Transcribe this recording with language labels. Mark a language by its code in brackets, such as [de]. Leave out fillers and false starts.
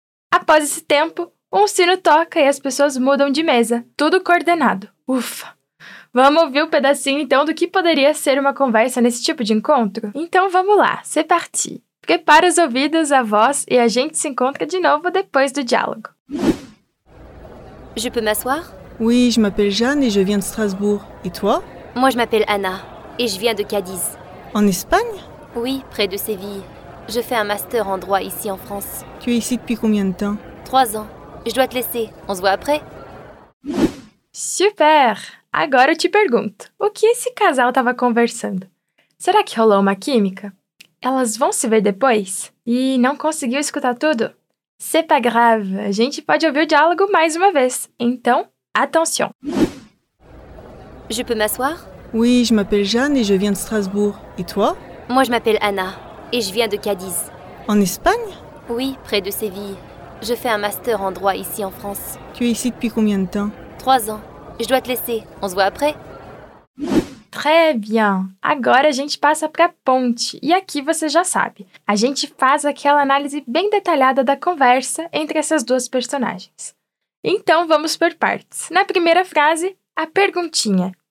[pt] Após esse tempo, um sino toca e as pessoas mudam de mesa, tudo coordenado. Ufa! Vamos ouvir um pedacinho, então, do que poderia ser uma conversa nesse tipo de encontro? Então, vamos lá, [fr] c'est parti! [pt] Prepara os ouvidos, a voz e a gente se encontra de novo depois do diálogo. [fr] Je peux m'asseoir? Oui, je m'appelle Jeanne et je viens de Strasbourg. Et toi? Moi, je m'appelle Anna. Et je viens de Cadiz. En Espagne? Oui, près de Séville. Je fais un master en droit ici en France. Tu es ici depuis combien de temps? 3 ans. Je dois te laisser. On se voit après. Super! [pt] Agora eu te pergunto, o que esse casal estava conversando? Será que rolou uma química? Elas vão se ver depois? E não conseguiu escutar tudo? [fr] C'est pas grave, [pt] a gente pode ouvir o diálogo mais uma vez. Então, attention! [fr] Je peux m'asseoir? Oui, je m'appelle Jeanne et je viens de Strasbourg. Et toi? Moi, je m'appelle Anna et je viens de Cadiz. En Espagne? Oui, près de Séville. Je fais un master en droit ici en France. Tu es ici depuis combien de temps? 3 ans. Je dois te laisser. On se voit après. Très bien. [pt] Agora a gente passa para a ponte. E aqui você já sabe. A gente faz aquela análise bem detalhada da conversa entre essas duas personagens. Então, vamos por partes. Na primeira frase, a perguntinha.